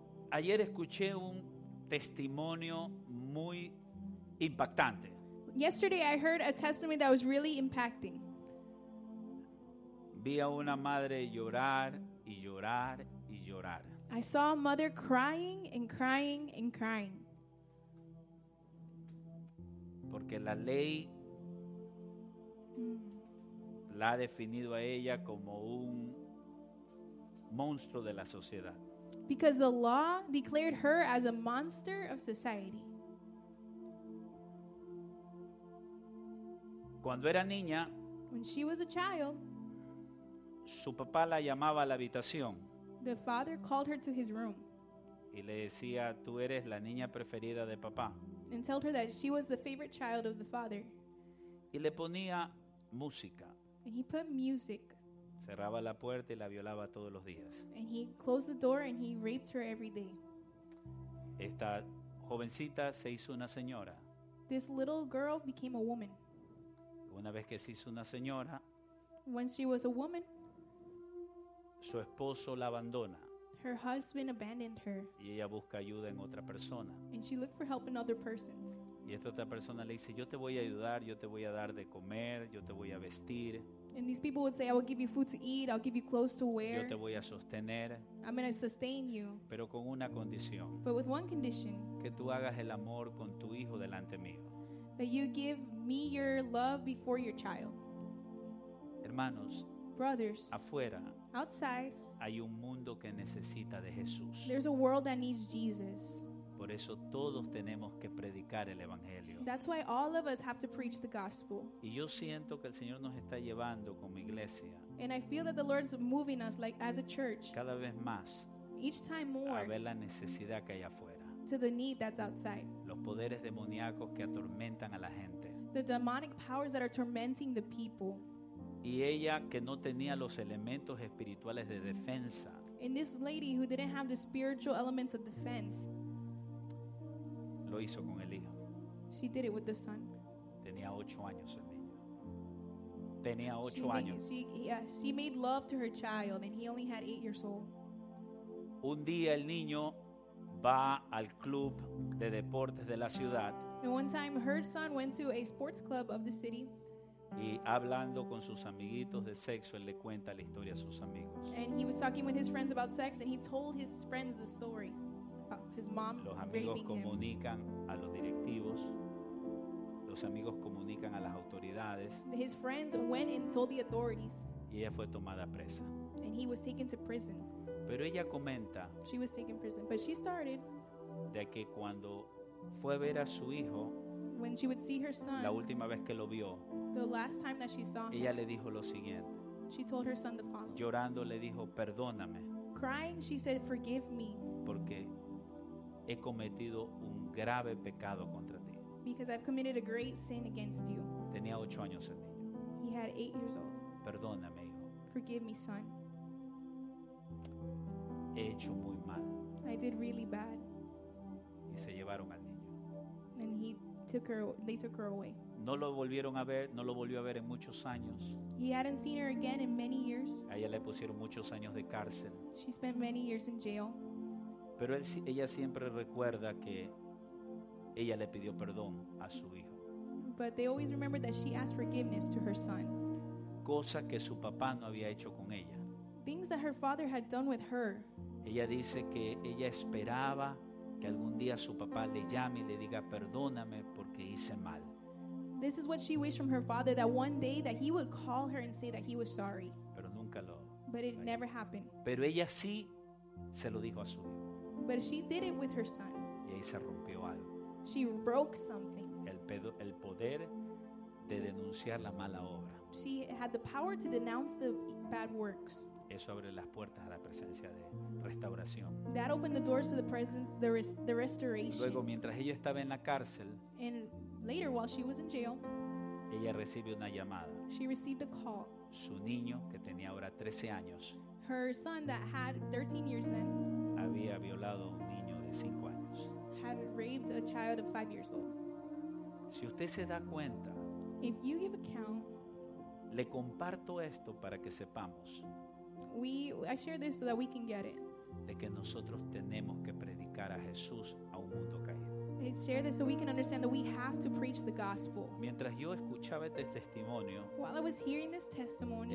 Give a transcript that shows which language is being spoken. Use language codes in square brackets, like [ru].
[es] Ayer escuché un testimonio muy impactante. [en] Yesterday I heard a testimony that was really impacting. [es] Vi a una madre llorar y llorar y llorar. [en] I saw a mother crying and crying and crying. [es] Porque la ley la ha definido a ella como un monstruo de la sociedad. [en] Because the law declared her as a monster of society. [es] Cuando era niña, [en] when she was a child, [es] su papá la llamaba a la habitación. [en] The father called her to his room. [es] Y le decía, tú eres la niña preferida de papá. [en] And told her that she was the favorite child of the father. [es] Y le ponía música. [en] And he put music. [es] Cerraba la puerta y la violaba todos los días. [en] And he closed the door and he raped her every day. [es] Esta jovencita se hizo una señora. [en] This little girl became a woman. [es] Una vez que se hizo una señora, [en] when she was a woman, [es] su esposo la abandona. [en] Her husband abandoned her. [es] Y ella busca ayuda en otra persona. [en] And she looked for help in other persons. [es] Y esta otra persona le dice, yo te voy a ayudar, yo te voy a dar de comer, yo te voy a vestir. [en] And these people would say, I will give you food to eat, I'll give you clothes to wear. [es] Yo te voy a sostener. [en] I'm going to sustain you. [es] Pero con una condición. [en] But with one condition. [es] Que tú hagas el amor con tu hijo delante mío. [en] That you give me your love before your child. [es] Hermanos. [en] Brothers. [es] Afuera. [en] Outside. [es] Hay un mundo que necesita de Jesús. [en] There's a world that needs Jesus. [es] Por eso todos tenemos que predicar el evangelio. [en] That's why all of us have to preach the gospel. [es] Y yo siento que el Señor nos está llevando como iglesia. [en] And I feel that the Lord is moving us like as a church. [es] Cada vez más. [en] Each time more. [es] A ver la necesidad que hay afuera. [en] To the need that's outside. [es] Los poderes demoníacos que atormentan a la gente. [en] The demonic powers that are tormenting the people. [es] Y ella que no tenía los elementos espirituales de defensa. [en] And this lady who didn't have the spiritual elements of defense. [es] Lo hizo con el hijo. [en] She did it with the son. [es] Tenía 8 años el niño. Tenía 8 años. [en] She made love to her child and he only had 8 years old. [es] Un día el niño va al club de deportes de la ciudad. [en] And one time her son went to a sports club of the city. [es] Y hablando con sus amiguitos de sexo, él le cuenta la historia a sus amigos. [en] And he was talking with his friends about sex and he told his friends the story. His mom. [es] Los amigos comunican [en] him. [es] A los directivos. Los amigos comunican a las autoridades. [en] His friends went and told the authorities. [es] Y ella fue tomada presa. [en] And he was taken to prison. [es] Pero ella comenta. [en] She was taken prison, but she started. [es] De que cuando fue a ver a su hijo. [en] When she would see her son. [es] La última vez que lo vio. [en] The last time that she saw [es] ella [en] him. [es] Ella le dijo lo siguiente. [en] She told her son the following. [es] Llorando le dijo, perdóname. [en] Crying, she said, forgive me. [es] Porque he cometido un grave pecado contra ti. [en] Because I've committed a great sin against you. [es] Tenía 8 años el niño. [en] He had 8 years old. [es] Perdóname, hijo. [en] Forgive me, son. [es] He hecho muy mal. [en] I did really bad. [es] Y se llevaron al niño. [en] And he took her. They took her away. [es] No lo volvieron a ver. No lo volvió a ver en muchos años. [en] He hadn't seen her again in many years. [es] A ella le pusieron muchos años de cárcel. [en] She spent many years in jail. [es] Pero ella siempre recuerda que ella le pidió perdón a su hijo. [en] But they always remember that she asked forgiveness to her son. [es] Cosa que su papá no había hecho con ella. [en] Things that her father had done with her. [es] Ella dice que ella esperaba que algún día su papá le llame y le diga perdóname porque hice mal. [en] This is what she wished from her father, that one day that he would call her and say that he was sorry. [es] Pero nunca lo. [en] But it never happened. [es] Pero ella sí se lo dijo a su hijo. [en] But she did it with her son. [es] Y ahí se rompió algo. [en] She broke something. [es] El poder de denunciar la mala obra. [en] She had the power to denounce the bad works. [es] Eso abre las puertas a la presencia de restauración. [en] That opened the doors to the presence, the restoration. [es] Luego, mientras ella estaba en la cárcel, [en] and later, while she was in jail, [es] ella recibe una llamada. [en] She received a call. [es] Su niño, que tenía ahora 13 años, [en] her son that had 13 years then, [es] había violado a un niño de 5 años. [en] Had raped a child of 5 years old. [es] Si usted se da cuenta, [en] if you give a count, [es] Le comparto esto para que sepamos. [en] I share this so that we can get it. [es] De que nosotros tenemos que predicar a Jesús a un mundo caído. [en] I share this so we can understand that we have to preach the gospel. [es] Mientras yo escuchaba este testimonio, [en] while I was hearing this testimony,